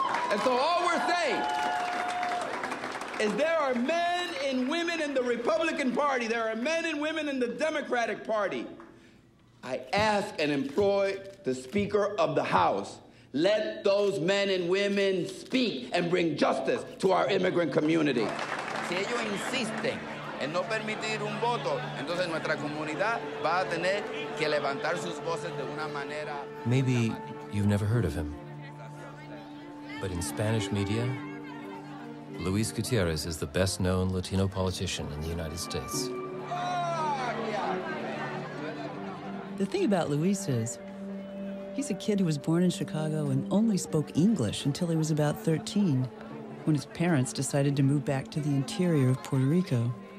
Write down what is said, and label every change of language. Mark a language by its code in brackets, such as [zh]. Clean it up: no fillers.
[en] And so all we're saying is there are men and women in the Republican Party, there are men and women in the Democratic Party. I ask and implore the Speaker of the House, let those men and women speak and bring justice to our immigrant community. [es] Si ellos insisten en no permitir un voto, entonces nuestra comunidad va a tener que levantar sus voces de una manera... [en] Maybe you've never heard of him. But in Spanish media, Luis Gutierrez is the best-known Latino politician in the United States. The thing about Luis is, he's a kid who was born in Chicago and only spoke English until he was about 13, when his parents decided to move back to the interior of Puerto Rico.